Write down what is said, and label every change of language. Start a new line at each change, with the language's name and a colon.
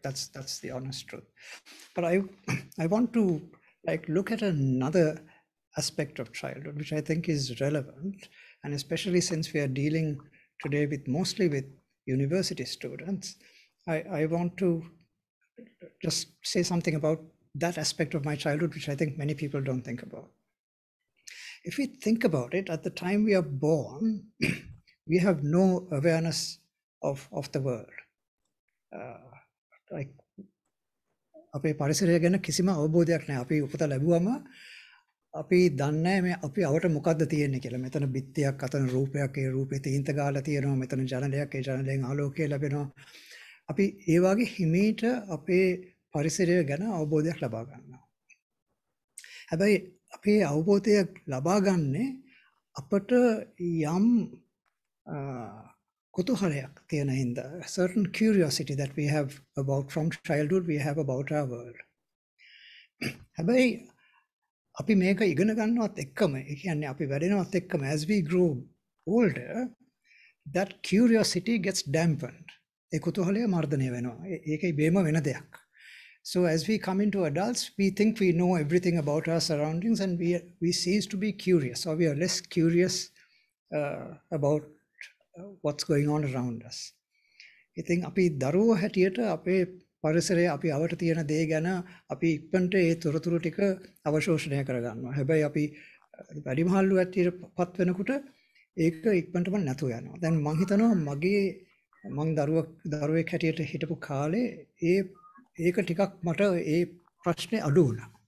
English: That's the honest truth. But I want to look at another aspect of childhood, which I think is relevant, and especially since we are dealing today mostly with university students, I want to just say something about that aspect of my childhood, which I think many people don't think about. If we think about it, at the time we are born, we have no awareness of the world.
Sinhala: අපේ පරිසරය ගැන කිසිම අවබෝධයක් නැහැ. අපි උපත ලැබුවම අපි දන්නේ නැහැ මේ අපි අවට මොකද්ද තියෙන්නේ කියලා. මෙතන බිත්තියක්, අතන රූපයක්, ඒ රූපේ තීන්ත ගාලා තියෙනවා. මෙතන ජනලයක්, ඒ ජනලෙන් ආලෝකය ලැබෙනවා. අපි ඒ වගේ හිමීට අපේ පරිසරය ගැන අවබෝධයක් ලබා ගන්නවා. හැබැයි අපි අවබෝධය ලබා ගන්නේ අපට යම් කුතුහලයක් තියෙන හින්දා,
English: a certain curiosity that we have about from childhood we have about our world.
Sinhala: හැබැයි අපි මේක ඉගෙන ගන්නවත් එක්කම, ඒ කියන්නේ අපි වැඩෙනවත් එක්කම,
English: as we grow older, that curiosity gets dampened.
Sinhala: ඒ කුතුහලය මර්ධනය වෙනවා. ඒකයි බේම වෙන දෙයක්.
English: So as we come into adults, we think we know everything about our surroundings, and we cease to be curious, or we are less curious about what's going on around us. I think
Sinhala: අපි දරුවෝ හැටියට අපේ පරිසරය අපි අවට තියෙන දේ ගැන අපි ඉක්මනට ඒ තොරතුරු ටික අවශෝෂණය කර ගන්නවා. හැබැයි අපි වැඩිමහල්ලු හැටියටපත් වෙනකොට ඒක ඉක්මනටම නැතු යනවා. දැන් මං හිතනවා මගේ මං දරුවෙක් හැටියට හිටපු කාලේ ඒ ඒක ටිකක් මට ඒ ප්‍රශ්නේ අඩු වුණා.